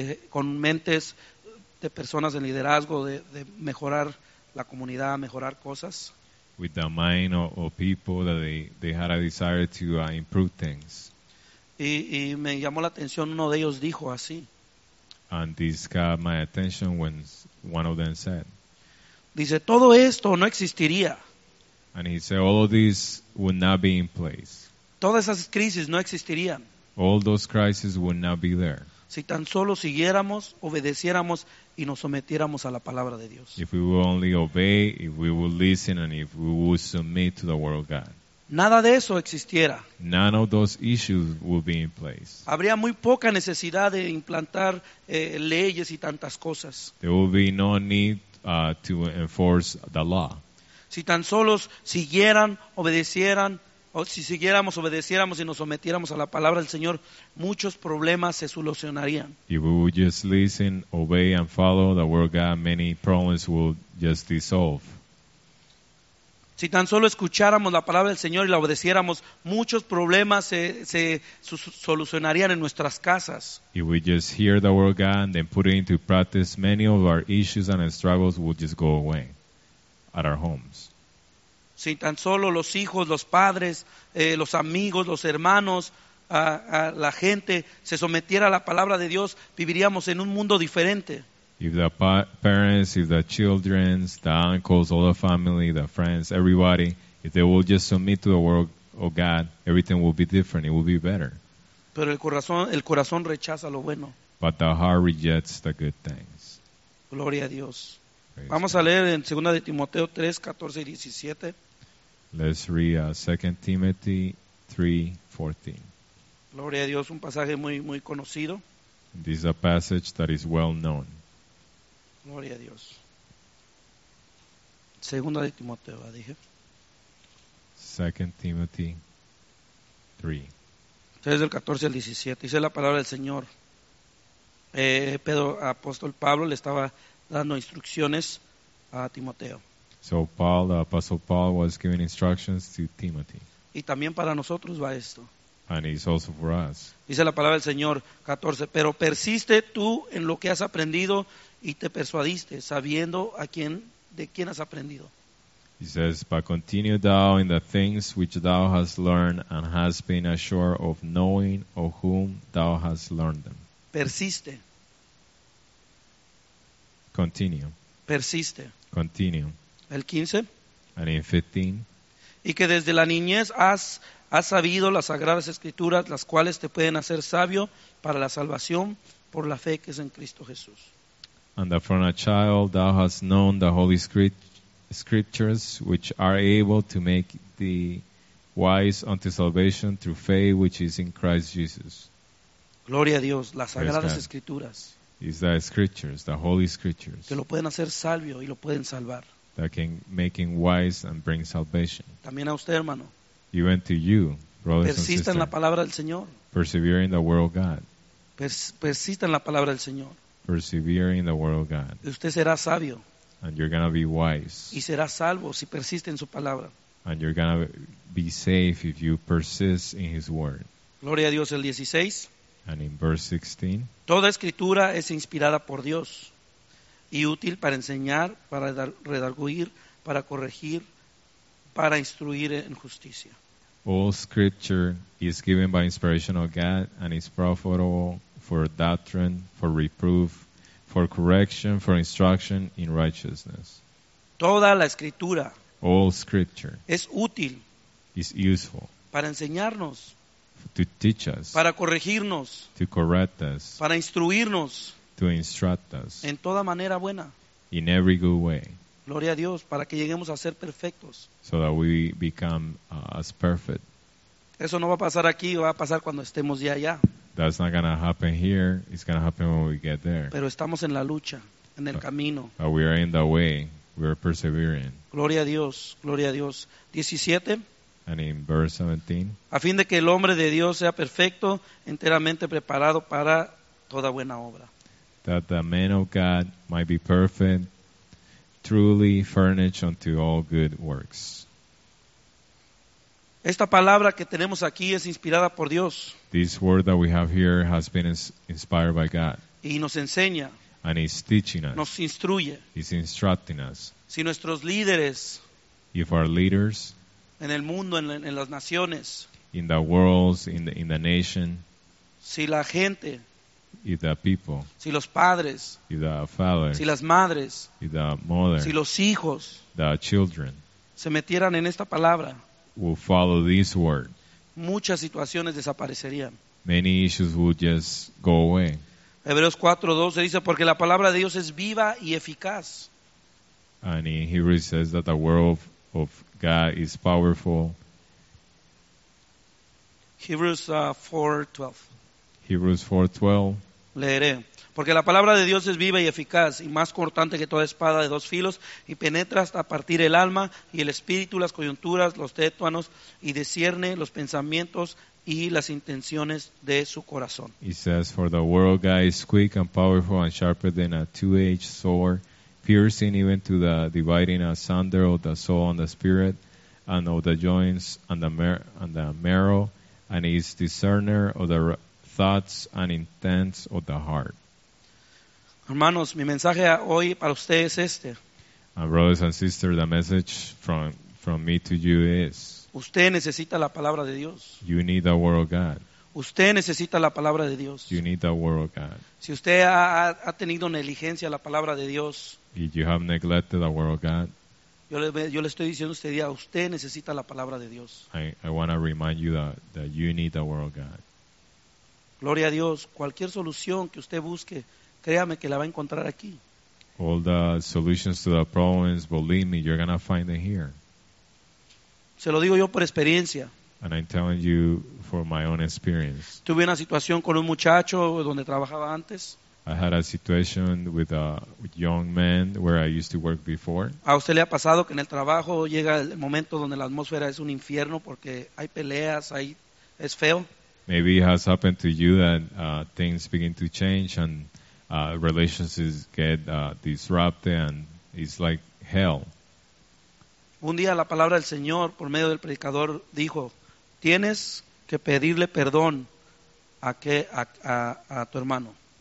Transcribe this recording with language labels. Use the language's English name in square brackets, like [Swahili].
[Spanish] Con mentes de personas en liderazgo, de mejorar la comunidad, mejorar cosas. [English] With the mind of people that they had a desire to improve things. [Spanish] Y me llamó la atención, uno de ellos dijo así. [English] And this got my attention when one of them said. [Spanish] Dice, todo esto no existiría. [English] And he said, all of this would not be in place. [Spanish] Todas esas crisis no existirían. [English] All those crises would not be there. [Spanish] Si tan solo siguiéramos, obedeciéramos y nos sometiéramos a la palabra de Dios. [English] If we would only obey, if we would listen, and if we would submit to the word of God. [Spanish] Nada de eso existiera. [English] None of those issues would be in place. [Spanish] Habría muy poca necesidad de implantar leyes y tantas cosas. [English] There would be no need to enforce the law. [Spanish] Si tan solo siguieran, obedecieran, o si siguiéramos, obedeciéramos y nos sometiéramos a la palabra del Señor, muchos problemas se solucionarían. [English] If we would just listen, obey and follow the word of God, many problems would just dissolve. [Spanish] Si tan solo escucháramos la palabra del Señor y la obedeciéramos, muchos problemas se solucionarían en nuestras casas. [English] If we just hear the word of God and then put it into practice, many of our issues and struggles would just go away at our homes. [Spanish] Si tan solo los hijos, los padres, los amigos, los hermanos, la gente se sometiera a la palabra de Dios, viviríamos en un mundo diferente. [English] If the parents, if the children, the uncles, all the family, the friends, everybody, if they will just submit to the word of God, everything will be different, it will be better. [Spanish] Pero el corazón rechaza lo bueno. [English] But the heart rejects the good things. [Spanish] Gloria a Dios. Vamos a leer en 2 de Timoteo 3, 14 y 17. [English] Let's read 2 Timothy 3, 14. [Spanish] Gloria a Dios, un pasaje muy, muy conocido. [English] This is a passage that is well known. [Spanish] Gloria a Dios. 2 de Timoteo, dije. [English] 2 Timothy 3. [Spanish] Desde el 14 al 17. Dice la palabra del Señor. Pedro, apóstol Pablo, le estaba dando instrucciones a Timoteo. [English] So Paul, the Apostle Paul, was giving instructions to Timothy. [Spanish] Y también para nosotros va esto. [English] And it's also for us. [Spanish] Dice la palabra del Señor, 14, pero persiste tú en lo que has aprendido y te persuadiste, sabiendo de quién has aprendido. [English] He says, but continue thou in the things which thou hast learned and hast been assured of knowing of whom thou hast learned them. [Spanish] Persiste. [English] Continue. [Spanish] Persiste. [English] Continue. [Spanish] El 15. [English] And in 15. [Spanish] Y que desde la niñez has sabido las sagradas escrituras, las cuales te pueden hacer sabio para la salvación por la fe que es en Cristo Jesús. [English] And that from a child thou hast known the Holy Scriptures, which are able to make thee wise unto salvation through faith which is in Christ Jesus. [Spanish] Gloria a Dios, las sagradas escrituras. [English] Is the scriptures, the holy scriptures. [Spanish] Que lo pueden hacer sabio y lo pueden salvar. [English] That can make him wise and bring salvation. [Spanish] También a usted, hermano. [English] Even to you, brothers and sisters. [Spanish] Persista en la palabra del Señor. [English] Persevere in the word of God. [Spanish] Persista en la palabra del Señor. [English] Persevere in the word of God. [Spanish] Y usted será sabio. [English] And you're going to be wise. [Spanish] Y será salvo si persiste en su palabra. [English] And you're going to be safe if you persist in his word. [Spanish] Gloria a Dios, el 16. [English] And in verse 16. [Spanish] Toda escritura es inspirada por Dios y útil para enseñar, para redarguir, para corregir, para instruir en justicia. [English] All scripture is given by inspiration of God and is profitable for doctrine, for reproof, for correction, for instruction in righteousness. [Spanish] Toda la escritura, [English] all scripture, [Spanish] es útil, [English] is useful, [Spanish] para enseñarnos, [English] to teach us, [Spanish] para corregirnos, [English] to correct us, [Spanish] para instruirnos, [English] to instruct us, [Spanish] en toda manera buena, [English] in every good way. [Spanish] Gloria a Dios, para que lleguemos a ser perfectos. [English] So that we become as perfect. [Spanish] Eso no va a pasar aquí, va a pasar cuando estemos ya allá. [English] That's not going to happen here, it's going to happen when we get there. [Spanish] Pero estamos en la lucha, en el camino. [English] But we are in the way, we are persevering. [Spanish] Gloria a Dios, gloria a Dios. 17. [English] And in verse 17. [Spanish] A fin de que el hombre de Dios sea perfecto, enteramente preparado para toda buena obra. [English] That the man of God might be perfect, truly furnished unto all good works. [Spanish] Esta palabra que tenemos aquí es inspirada por Dios. [English] This word that we have here has been inspired by God. [Spanish] Y nos enseña. [English] And he's teaching us. [Spanish] Nos instruye. [English] He's instructing us. [Spanish] Si nuestros líderes. [English] If our leaders. [Spanish] En el mundo, en las naciones. [English] In the worlds, in the nation. [Spanish] Si la gente. [English] Y the people, [Spanish] si los padres, [English] y the father, [Spanish] si las madres, [English] y the mother, [Spanish] si los hijos, [English] the children, [Spanish] se metieran en esta palabra, [English] will follow this word, [Spanish] muchas situaciones desaparecerían. [English] Many issues would just go away. [Spanish] Hebreos 4:12 dice, porque la palabra de Dios es viva y eficaz. [English] And in Hebrews says that the word of God is powerful. Hebrews 4:12. Hebrews 4:12. [Spanish] Leeré. Porque la palabra de Dios es viva y eficaz y más cortante que toda espada de dos filos y penetra hasta partir el alma y el espíritu, las coyunturas, los tétanos y discierne los pensamientos y las intenciones de su corazón. [English] He says, for the word of God is quick and powerful and sharper than a two-edged sword, piercing even to the dividing asunder of the soul and the spirit and of the joints and the marrow, and is discerner of the thoughts and intents of the heart. [Spanish] Hermanos, mi mensaje hoy para ustedes es este. [English] And brothers and sisters, the message from me to you is, [Spanish] usted necesita la palabra de Dios. [English] You need the word of God. [Spanish] Usted necesita la palabra de Dios. [English] You need the word of God. [Spanish] Si usted ha tenido negligencia a la palabra de Dios, [English] if you have neglected the word of God, [Spanish] yo le estoy diciendo este día, usted necesita la palabra de Dios. [English] I want to remind you that you need the word of God. [Spanish] Gloria a Dios. Cualquier solución que usted busque, créame que la va a encontrar aquí. [English] All the solutions to the problems, believe me, you're going to find them here. [Spanish] Se lo digo yo por experiencia. [English] And I'm telling you for my own experience. [Spanish] Tuve una situación con un muchacho donde trabajaba antes. [English] I had a situation with a young man where I used to work before. [Spanish] ¿A usted le ha pasado que en el trabajo llega el momento donde la atmósfera es un infierno porque hay peleas, ahí es feo? [English] Maybe it has happened to you that things begin to change and relationships get disrupted and it's like hell. [Spanish] Un día la palabra del Señor por medio del predicador dijo, tienes que pedirle perdón a tu hermano.